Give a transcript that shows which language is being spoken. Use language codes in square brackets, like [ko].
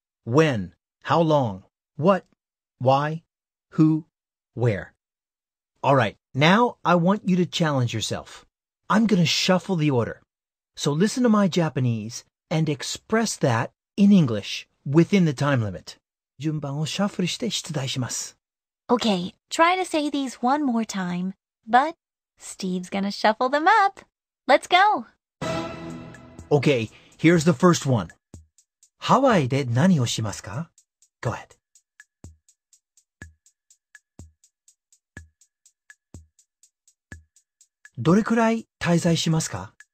[en] When, how long, what, why, who, where. All right, now I want you to challenge yourself. I'm going to shuffle the order. So listen to my Japanese and express that in English within the time limit. [ja] 順番をシャッフルして出題します。 [en] Okay, try to say these one more time, but Steve's gonna shuffle them up. Let's go! Okay, here's the first one. [ja] ハワイで何をしますか? [en] Go ahead. [ja] どれくらい滞在しますか?